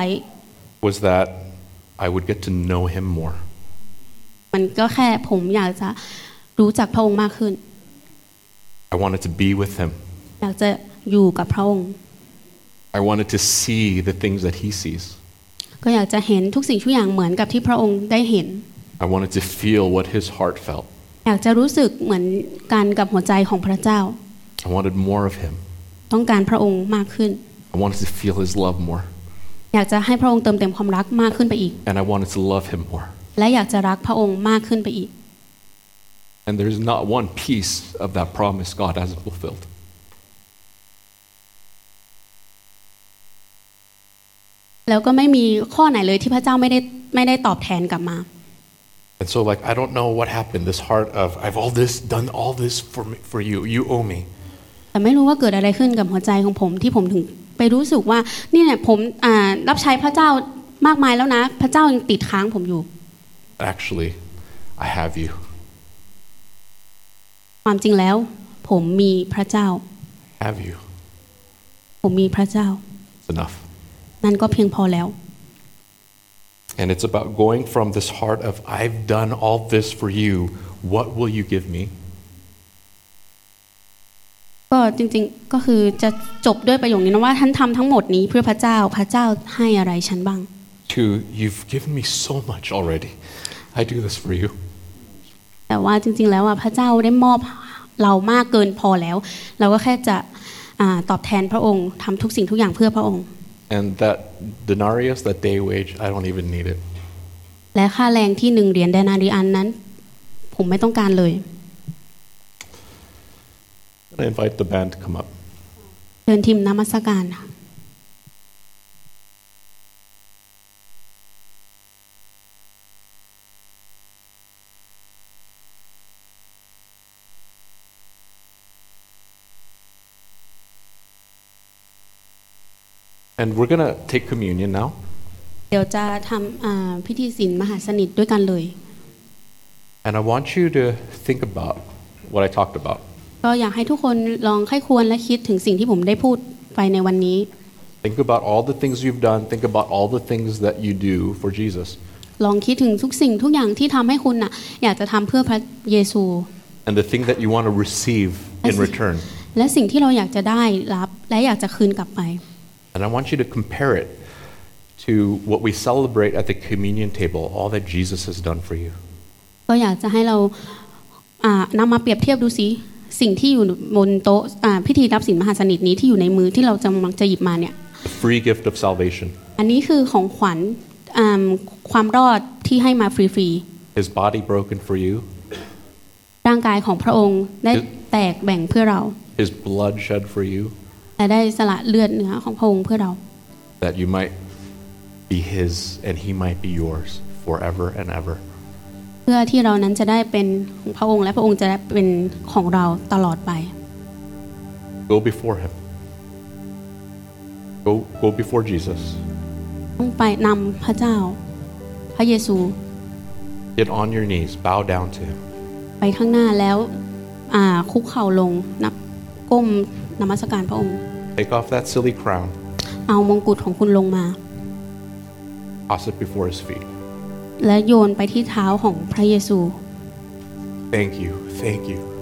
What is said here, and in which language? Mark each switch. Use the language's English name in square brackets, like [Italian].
[English] was that I would get to know him more [Thai] มันก็แค่ผมอยากจะรู้จักพระองค์มากขึ้น [English] I wanted to be with him [Thai] อยากจะอยู่กับพระองค์ [English] I wanted to see the things that he sees [Thai] ก็อยากจะเห็นทุกสิ่งทุกอย่างเหมือนกับที่พระองค์ได้เห็น [English] I wanted to feel what his heart felt. [Thai] อยากจะรู้สึกเหมือนกันกับหัวใจของพระเจ้า [English] I wanted more of him. [Thai] ต้องการพระองค์มากขึ้น [English] I wanted to feel his love more. [Thai] อยากจะให้พระองค์เติมเต็มความรักมากขึ้นไปอีก [English] And I wanted to love him more. [Thai] และอยากจะรักพระองค์มากขึ้นไปอีก [English] And there is not one piece of that promise God hasn't fulfilled. [Thai] แล้วก็ไม่มีข้อไหนเลยที่พระเจ้าไม่ได้ตอบแทนกลับมา [English] And so, like, I don't know what happened. This heart of I've all this done all this for me, for you. You owe me. [Thai] แต่ไม่รู้ว่าเกิดอะไรขึ้นกับหัวใจของผมที่ผมถึงไปรู้สึกว่านี่เนี่ยผมรับใช้พระเจ้ามากมายแล้วนะพระเจ้ายังติดค้างผมอยู่ [English] Actually, I have you. [Thai] ความจริงแล้วผมมีพระเจ้า [English] Have you? [Thai] ผมมีพระเจ้า [English] Enough. [Thai] นั่นก็เพียงพอแล้ว [English] And it's about going from this heart of I've done all this for you. What will you give me? [Thai] ก็จริงๆก็คือจะจบด้วยประโยคนี้นะว่าท่านทำทั้งหมดนี้เพื่อพระเจ้าพระเจ้าให้อะไรฉันบ้าง [English] To you've given me so much already. I do this for you. [Thai] แต่ว่าจริงๆแล้วว่าพระเจ้าได้มอบเรามากเกินพอแล้วเราก็แค่จะตอบแทนพระองค์ทำทุกสิ่งทุกอย่างเพื่อพระองค์ [English] And that denarius, that day wage, I don't even need it. [Thai] และค่าแรงที่หนึ่งเหรียญเดนารีอันนั้นผมไม่ต้องการเลย [English] And I invite the band to come up. [Thai] เชิญทีมนมัสการ [English] And we're gonna take communion now. [Thai] เดี๋ยวจะทำพิธีศีลมหาสนิทด้วยกันเลย [English] And I want you to think about what I talked about. [Thai] ก็อยากให้ทุกคนลองใคร่ควรและคิดถึงสิ่งที่ผมได้พูดไปในวันนี้ [English] Think about all the things you've done. Think about all the things that you do for Jesus. [Thai] ลองคิดถึงทุกสิ่งทุกอย่างที่ทำให้คุณน่ะอยากจะทำเพื่อพระเยซู [English] And the thing that you want to receive in return. [Thai] และสิ่งที่เราอยากจะได้รับและอยากจะคืนกลับไป [English] And I want you to compare it to what we celebrate at the communion table, all that Jesus has done for you. [Thai] ก็อยากจะให้เรานำมาเปรียบเทียบดูสิสิ่งที่อยู่บนโต๊ะพิธีรับศีลมหาสนิทนี้ที่อยู่ในมือที่เราจะหยิบมาเนี่ย [English] The free gift of salvation. [Thai] อันนี้คือของขวัญความรอดที่ให้มาฟรี [English] ๆ His body broken for you. [Thai] ร่างกายของพระองค์ได้แตกแบ่งเพื่อเรา [English] His blood shed for you. [Thai] และได้สละเลือดเนื้อของพระองค์เพื่อเรา [English] That you might be his and he might be yours forever and ever [Thai] เพื่อที่เรานั้นจะได้เป็นของพระองค์และพระองค์จะได้เป็นของเราตลอดไป [English] Go before him Go before Jesus [Thai] ต้องไปนำพระเจ้าพระเยซู [English] Get on your knees bow down to him [Thai] ไปข้างหน้าแล้วคุกเข่าลงนับก้มนมัสการพระองค์ [English] Take off that silly crown. [Thai] เอามงกุฎของคุณลงมา [English] Toss it before his feet. [Thai] และโยนไปที่เท้าของพระเยซู [English] Thank you. Thank you.